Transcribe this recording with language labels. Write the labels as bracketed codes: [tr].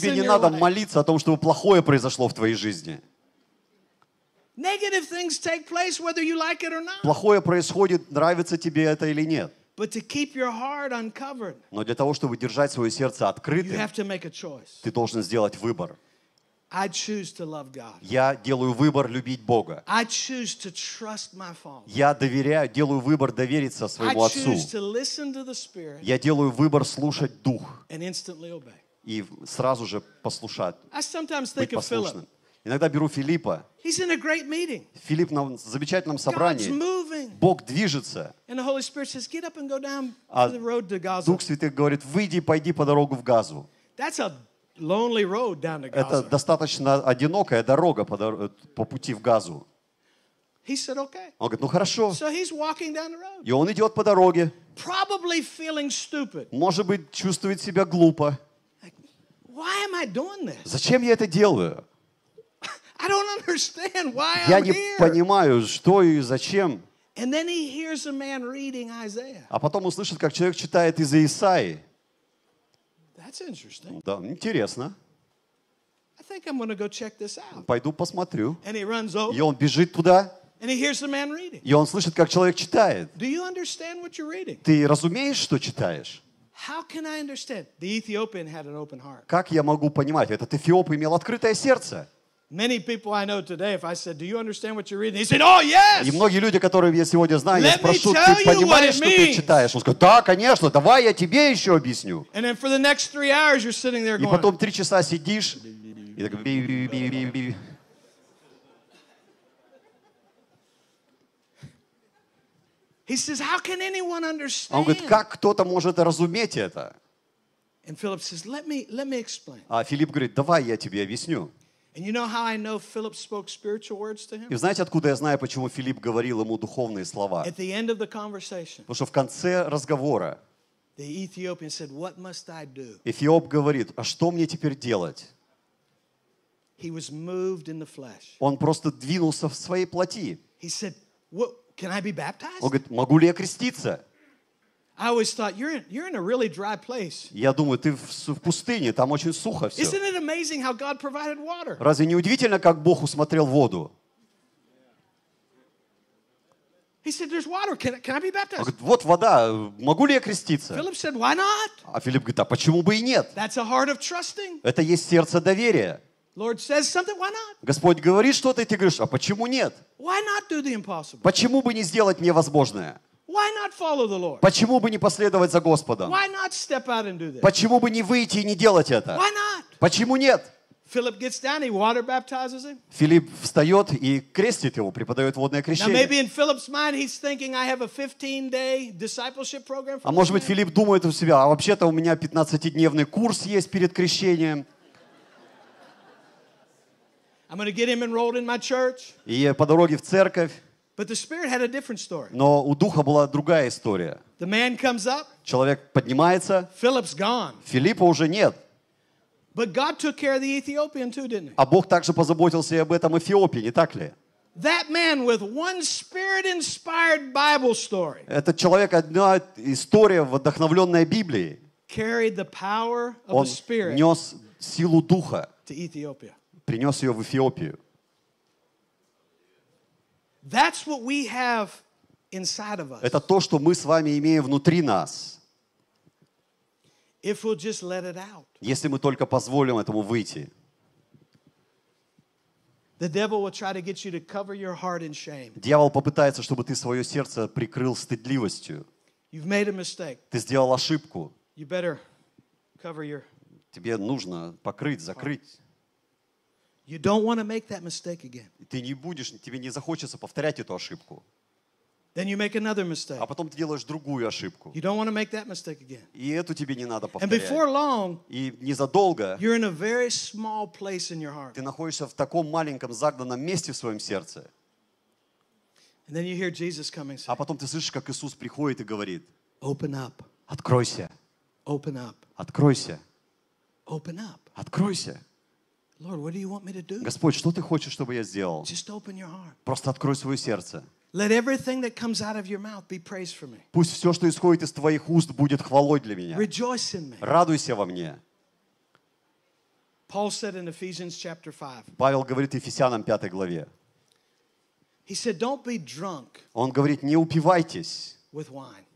[ru] Тебе не надо молиться о том, чтобы плохое произошло в твоей жизни. [en] Negative things take place whether you like it or not. [ru] Плохое происходит, нравится тебе это или нет. [en] But to keep your heart uncovered. [ru] Но для того, чтобы держать свое сердце открытым, [en] you have to make a choice. [ru] Ты должен сделать выбор. [en] I choose to love God. [ru] Я делаю выбор любить Бога. [en] I choose to trust my Father. [ru] Я доверяю, делаю выбор довериться своему [en] I [ru] Отцу. [en] Choose to listen to the Spirit. [ru] Я делаю выбор слушать Дух. [en] And instantly obey. [ru] И сразу же послушать. [en] I sometimes think [ru] быть послушным. Иногда беру Филиппа. [en] He's in a great meeting. [ru] Филипп на замечательном собрании. [en] God's moving. [ru] Бог движется. [en] And the Holy Spirit says, "Get up and go down the road to Gaza." [ru] Дух Святой говорит, выйди, пойди по дорогу в Газу. [en] That's a lonely road down to Gaza. [ru] Это достаточно одинокая дорога по пути в Газу. [en] He said, "Okay." [ru] Он говорит, ну хорошо. [en] So he's walking down the road. [ru] И он идет по дороге. [en] Probably feeling stupid. [ru] Может быть, чувствует себя глупо. [en] Like, why am I doing this? [ru] Зачем я это делаю? [en] I don't understand why [ru] я не понимаю, что и зачем. [en] And then he hears a man reading Isaiah. [ru] А потом услышит, как человек читает из Исаии. [en] That's interesting. [ru] Да, интересно. [en] I think I'm gonna go check this out. [ru] Пойду посмотрю. [en] And he runs over. [ru] И он бежит туда. [en] And he hears a man reading. [ru] И он слышит, как человек читает. [en] Do you understand what you're reading? [ru] Ты разумеешь, что читаешь? [en] How can I understand? The Ethiopian had an open heart. [ru] Как я могу понимать? Этот эфиоп имел открытое сердце. [en] Many people I know today, if I said, "Do you understand what you're reading?" He said, "Oh, yes." [ru] И многие люди, которых я сегодня знаю, я спрошу, ты понимаешь, что ты читаешь? Он скажет, да, конечно. Давай я тебе еще объясню. [en] And then for the next 3 hours, you're sitting there going. [ru] И потом 3 часа сидишь и так би-би-би-би-би. [en] He says, "How can anyone understand?" [ru] Он говорит, как кто-то может разуметь это? [en] And Philip says, "Let me explain." [ru] А Филипп говорит, давай я тебе объясню. [en] And you know how I know Philip spoke spiritual words to him? [ru] И знаете, откуда я знаю, почему Филипп говорил ему духовные слова? [en] At the end of the conversation. [ru] Потому что в конце разговора. [en] The Ethiopian said, "What must I do?" [ru] Эфиоп говорит, а что мне теперь делать? [en] He was moved in the flesh. [ru] Он просто двинулся в своей плоти. [en] He said, "What, can I be baptized?" [ru] Он говорит, могу ли я креститься? [en] I always thought you're in a really dry place. [ru] Я думаю, ты в пустыне, там очень сухо все. [en] Isn't it amazing how God provided water? [ru] Разве не удивительно, как Бог усмотрел воду? [en] He said, "There's water. Can I be baptized?" [ru] Он говорит, вот вода, могу ли я креститься? [en] Philip said, "Why not?" [ru] А Филипп говорит, а почему бы и нет? [en] That's a heart of trusting. [ru] Это есть сердце доверия. [en] Lord says something, why not? [ru] Господь говорит что-то, и ты говоришь, а почему нет? [en] Why not do the impossible? [ru] Почему бы не сделать невозможное? [en] Why not follow the Lord? [ru] Почему бы не последовать за Господом? [en] Why not step out and do this? [ru] Почему бы не выйти и не делать это? [en] Why not? [ru] Почему нет? [en] Philip gets down, he water baptizes him. [ru] Филипп встает и крестит его, преподает водное крещение. [en] Now maybe in Philip's mind he's thinking, I have a 15-day discipleship program. [ru] А может быть Филипп думает у себя, а вообще-то у меня 15-дневный курс есть перед крещением. [en] I'm going to get him enrolled in my church. [ru] И по дороге в церковь. [en] But the Spirit had a different story. [ru] Но у Духа была другая история. [en] The man comes up. [ru] Человек поднимается. [en] Philip's gone. [ru] Филиппа уже нет. [en] But God took care of the Ethiopian too, didn't he? [ru] А Бог также позаботился и об этом Эфиопе, не так ли? [en] That man with one spirit-inspired Bible story. [ru] Этот человек, одна история, вдохновленная Библией. [en] Carried the power of the Spirit. [ru] Он нес силу духа. [en] To Ethiopia. [ru] Принес ее в Эфиопию. [en] That's what we have inside of us. [ru] Это то, что мы с вами имеем внутри нас. [en] If we'll just let it out. [ru] Если мы только позволим этому выйти. [en] The devil will try to get you to cover your heart in shame. [ru] Дьявол попытается, чтобы ты свое сердце прикрыл стыдливостью. [en] You've made a mistake. [ru] Ты сделал ошибку. [en] You better cover your. [ru] Тебе нужно покрыть, закрыть. [en] You don't want to make that mistake again. [ru] Ты не будешь, тебе не захочется повторять эту ошибку. [en] Then you make another mistake. [ru] А потом ты делаешь другую ошибку. [en] You don't want to make that mistake again. [ru] И эту тебе не надо повторять. [en] And before long, [ru] и незадолго, [en] you're in a very small place in your heart. [ru] Ты находишься в таком маленьком загнанном месте в своем сердце. [en] And then you hear Jesus coming. [ru] А потом ты слышишь, как Иисус приходит и говорит: [en] Open up. [ru] Откройся. [en] Open up. [ru] Откройся. [en] Open up. [ru] Откройся. [en] Lord, what do you want me to do? [ru] Господь, что ты хочешь, чтобы я сделал? [en] Just open your heart. [ru] Просто открой свое сердце. [en] Let everything that comes out of your mouth be praise for me. [ru] Пусть все, что исходит из твоих уст, будет хвалой для меня. [en] Rejoice in me. [ru] Радуйся во мне. [en] Paul said in Ephesians chapter 5. [ru] Павел говорит Ефесянам 5 главе. [en] He said, "Don't be drunk." [ru] Он говорит, не упивайтесь. [en] With wine.